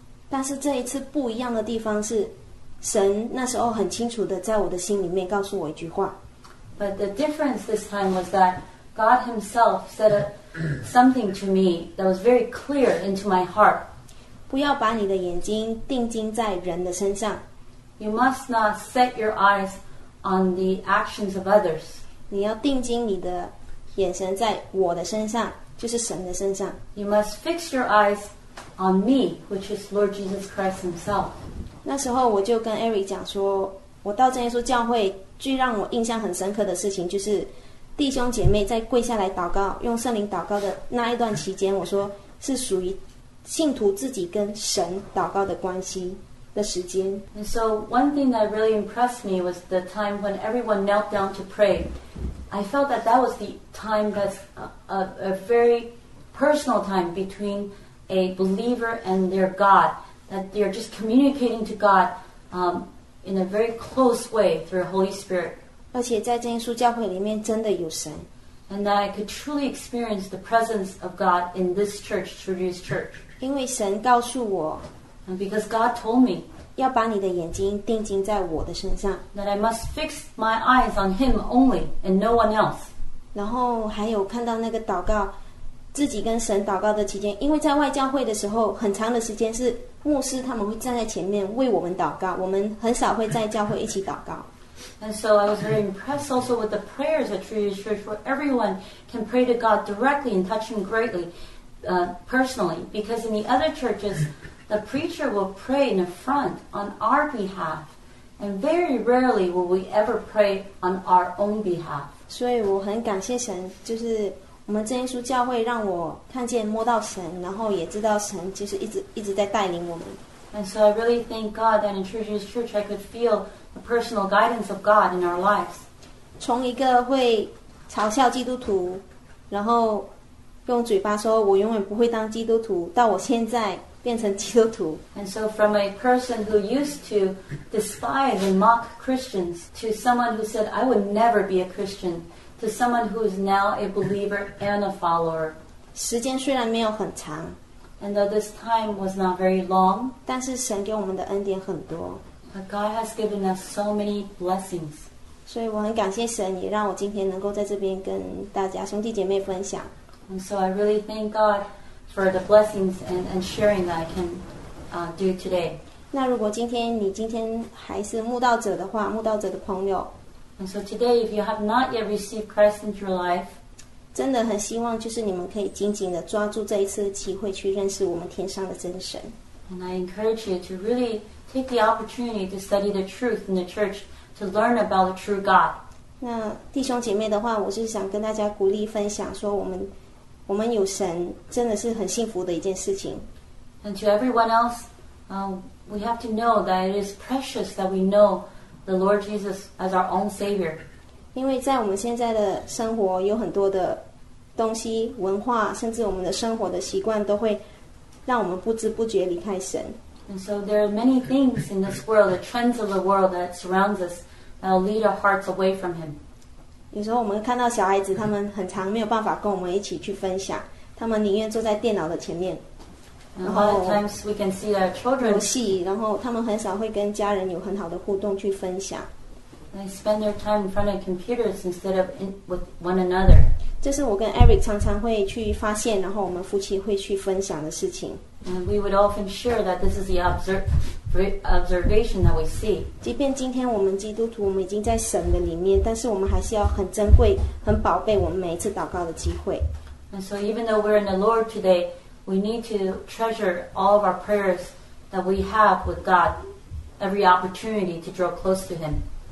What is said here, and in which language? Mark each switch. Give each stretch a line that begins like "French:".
Chinese: 但是这一次不一样的地方是，神那时候很清楚的在我的心里面告诉我一句话。
English: But the difference this time was that God himself said something to me that was very clear into my heart.
Chinese: 不要把你的眼睛定睛在人的身上。
English: You must not set your eyes on the actions of others.
Chinese: 你要定睛你的眼神在我的身上，就是神的身上。
English: You must fix your eyes on me, which is Lord Jesus Christ himself.
Chinese: 那时候我就跟 Eric 讲说，我到真耶稣教会最让我印象很深刻的事情就是弟兄姐妹在跪下来祷告用圣灵祷告的那一段期间，我说是属于信徒自己跟神祷告的关系的时间。
English: And so one thing that really impressed me was the time when everyone knelt down to pray. I felt that that was the time that's a very personal time between a believer and their GodThat they are just communicating to God in a very close way through the Holy Spirit.
Chinese: 而且在真耶稣教会里面真的有神。
English: And that I could truly experience the presence of God in this church, through this church.
Chinese: 因为神告诉我。
English: And because God told me.
Chinese: 要把你的眼睛定睛在我的身上。
English: That I must fix my eyes on him only and no one else.
Chinese: 然后还有看到那个祷告，自己跟神祷告的期间，因为在外教会的时候，很长的时间是牧师他们会站在前面为我们祷告，我们很少会在教会一起祷告。
English: And so I was very impressed also with the prayers at Trinity Church where everyone can pray to God directly and touch him greatly, personally. Because in the other churches, the preacher will pray in the front on our behalf. And very rarely will we ever pray on our own behalf.
Chinese: 所以我很感谢神，就是我们真耶稣教会让我看见摸到神，然后也知道神就是一直在带领我们。
English: And so I really thank God that in Trinity Church I could feel the personal guidance of God in our lives.
Chinese: 从一个会嘲笑基督徒，然后用嘴巴说我永远不会当基督徒，到我现在变成基督徒。
English: And so from a person who used to despise and mock Christians to someone who said I would never be a Christian to someone who is now a believer and a follower.
Chinese: 时间虽然没有很长，
English: And though this time was not very long,
Chinese: 但是神给我们的恩典很多。
English: But God has given us so many blessings.
Chinese: 所以我很感谢神，也让我今天能够在这边跟大家兄弟姐妹分享。
English: And so I really thank God for the blessings and sharing that I can do today.
Chinese: 那如果你今天还是慕道者的话，慕道者的朋友。
English: And so today, if you have not yet received Christ into your life,
Chinese: 真的很希望就是你们可以紧紧的抓住这一次机会去认识我们天上的真神。
English: And I encourage you to really take the opportunity to study the truth in the church to learn about the true God.
Chinese: 那弟兄姐妹的话，我是想跟大家鼓励分享说我们有神真的是很幸福的一件事情。
English: And to everyone else, we have to know that it is precious that we know the Lord Jesus as our own Savior.
Chinese: 因为在我们现在的生活有很多的东西文化甚至我们的生活的习惯都会让我们不知不觉离开神
English: And so there are many things in this world the trends of the world that surrounds us that will lead our hearts away from him
Chinese: 有时候我们看到小孩子他们很常没有办法跟我们一起去分享他们宁愿坐在电脑的前面
English: And a lot of times we can see our children
Chinese: 游戏然后他们很少会跟家人有很好的互动去分享
English: They spend their time in front of computers instead of with one another.
Chinese: 这是我跟 Eric 常常会去发现，然后我们夫妻会去分享的事情。
English: And we would often share that this is the observation that we see.
Chinese: 即便今天我们基督徒，我们已经在神的里面，但是我们还是要很珍贵、很宝贝我们每一次祷告的机会。
English: And so even though we're in the Lord today, we need to treasure all of our prayers that we have with God, every opportunity to draw close to Him.